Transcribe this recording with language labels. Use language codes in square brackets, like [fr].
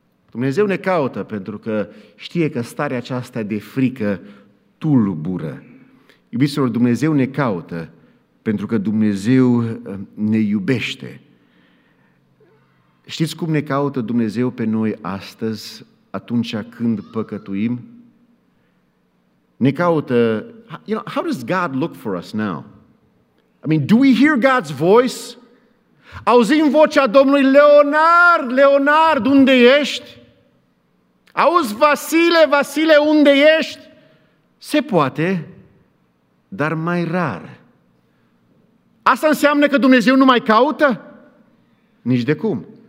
[ro] Dumnezeu ne caută pentru că știe că starea aceasta de frică tulbură. Iubiților, Dumnezeu ne caută pentru că Dumnezeu ne iubește. Știți cum ne caută Dumnezeu pe noi astăzi, atunci când păcătuim? Ne caută, [en] you know, how does God look for us now? I mean, do we hear God's voice? [ro] Auzim vocea Domnului: Leonard, Leonard, unde ești? Auzi, Vasile, Vasile, unde ești? Se poate, dar mai rar. Asta înseamnă că Dumnezeu nu mai caută? Nici de cum.